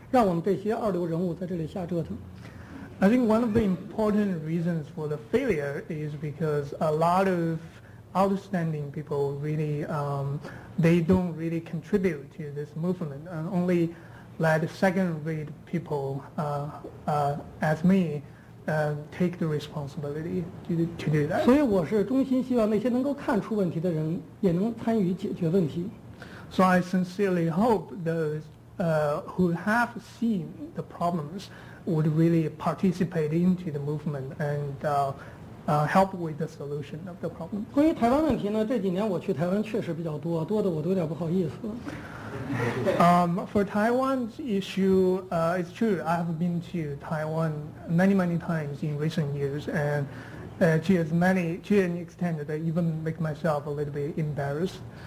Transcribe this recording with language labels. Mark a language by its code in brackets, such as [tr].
[zh] 我觉得海外民运走下坡路一个很大的原因就是很多优秀的人才不参加进来，让我们这些二流人物在这里瞎折腾。 [en] I think one of the important reasons for the failure is because a lot of outstanding people really they don't really contribute to this movement, and only let second-rate people as me take the responsibility to do that. [zh] 所以我是衷心希望那些能够看出问题的人也能参与解决问题。 [en] So I sincerely hope those who have seen the problems would really participate into the movement and help with the solution of the problem. [zh] 关于台湾问题呢，这几年我去台湾确实比较多，多的我都有点不好意思。 [en] For Taiwan's issue, it's true, I have been to Taiwan many times in recent years, and to an extent that even make myself a little bit embarrassed.